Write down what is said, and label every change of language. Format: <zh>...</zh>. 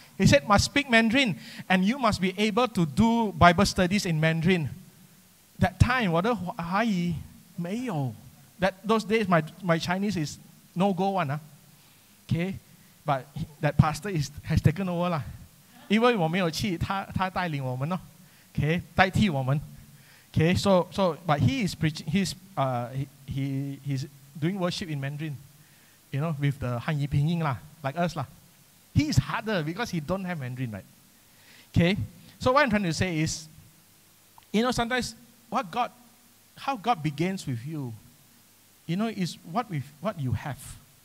<en>He said, must speak Mandarin, and you must be able to do Bible studies in Mandarin. That time,</en> <zh>我的华语没有。</zh> <en>Those days, my Chinese is no go one. Okay. But that pastor has taken over lah.</en> <zh>因为我没有去，他带领我们咯。 Okay. 代替我们。Okay.</zh> <en>So, but he is preaching, he's doing worship in Mandarin. You know, with the Hanyi Pinyin lah, like us lah. He is harder because he don't have Mandarin, right? Okay. So what I'm trying to say is, you know, sometimes how God begins with you, you know, is what you have.</en>